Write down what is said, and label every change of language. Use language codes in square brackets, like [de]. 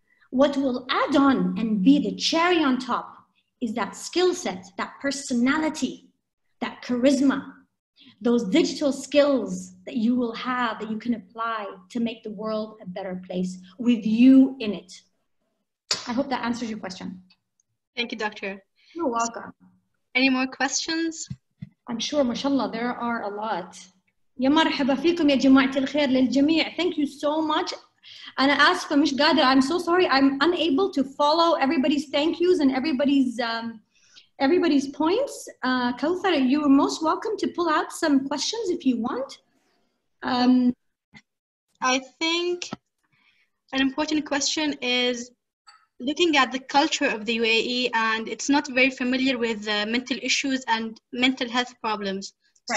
[en] What will add on and be the cherry on top is that skill set, that personality, that charisma, those digital skills that you will have that you can apply to make the world a better place with you in it. I hope that answers your question. Thank you, Doctor. You're welcome. Any more questions? I'm sure, mashallah, there are a lot. [ar] يا مرحبا فيكم يا جماعة الخير للجميع. [en] Thank you so much. [ar] أنا آسفة مش قادرة. [en] I'm so sorry. I'm unable to follow everybody's thank yous and everybody's points. Kauthar, you're most welcome to pull out some questions if you want. I think an important question is looking at the culture of the UAE, and it's not very familiar with mental issues and mental health problems. Right.